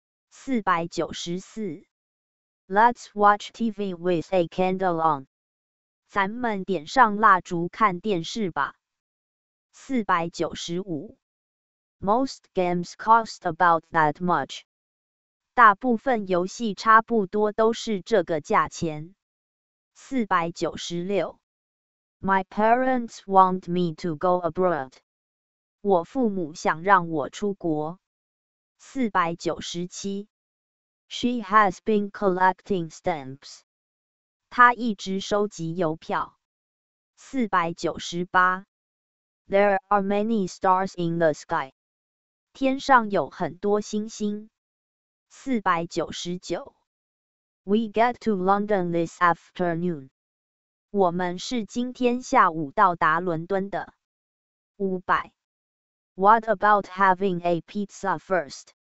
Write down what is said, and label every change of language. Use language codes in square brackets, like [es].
[zh] 494 [en] Let's watch TV with a candle on. [zh] 咱们点上蜡烛看电视吧。 495 [en] Most games cost about that much. [zh] 大部分游戏差不多都是这个价钱。 496 [en] My parents want me to go abroad. [zh] 我父母想让我出国。497 [en] She has been collecting stamps. [zh] 她一直收集邮票。498 [en] There are many stars in the sky. [zh] 天上有很多星星。499 [en] We get to London this afternoon. [zh] 我们是今天下午到达伦敦的。 500 [en] What about having a pizza first?